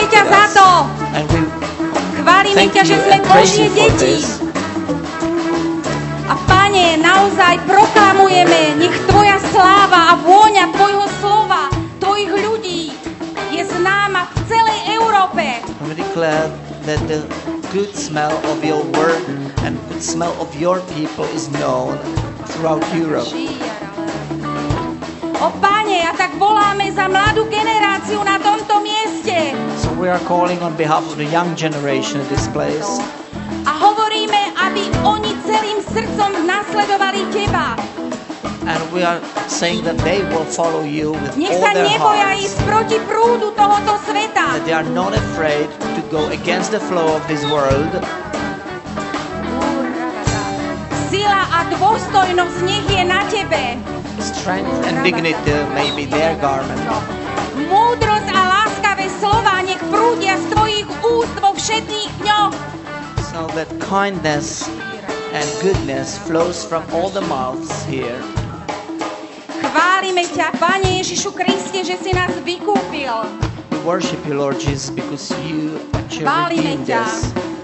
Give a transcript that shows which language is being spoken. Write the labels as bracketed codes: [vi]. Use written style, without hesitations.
[sk] Chválime ťa za to. [en] And we [sk] chválime ťa, že sme Božie deti. A Pane, naozaj proklamujeme, nech Tvoja sláva a vôňa Tvojho slova, Tvojich ľudí je známa v celej Európe. [en] And we declare that the good smell of your word and good smell of your people is known throughout Europe. [sk] O Pane, a tak voláme za mladú generáciu na tomto mieste. [en] So we are calling on behalf of the young generation at this place. [sk] A hovoríme, aby oni celým srdcom nasledovali Teba. [en] And we are saying that they will follow You with [sk] nech [en] all their hearts. [sk] Nech sa neboja ísť proti prúdu tohoto sveta. [en] That they are not afraid to go against the flow of this world. [sk] Sila a dôstojnosť nech je na Tebe. [en] Strength and dignity may be their garment. [sk] Múdrosť a láskavé slova nech prúdia z Tvojich úst vo všetných dňoch. [en] So that kindness and goodness flows from all the mouths here. [sk] Chválime ťa, Pane Ježišu Kriste, že si nás vykúpil. [en] We worship You, Lord Jesus, because You actually redeemed us.